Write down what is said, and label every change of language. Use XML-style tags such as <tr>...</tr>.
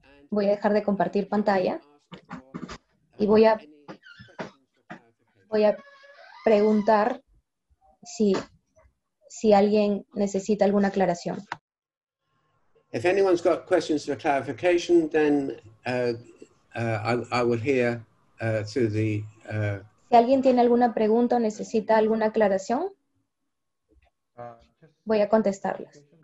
<es>Voy a dejar de compartir pantalla y voy a preguntar si alguien necesita alguna aclaración.</es> <en>If anyone's got questions for clarification, then I will hear through the.</en> <es>Si alguien tiene alguna pregunta o necesita alguna aclaración, voy a contestarlas.</es>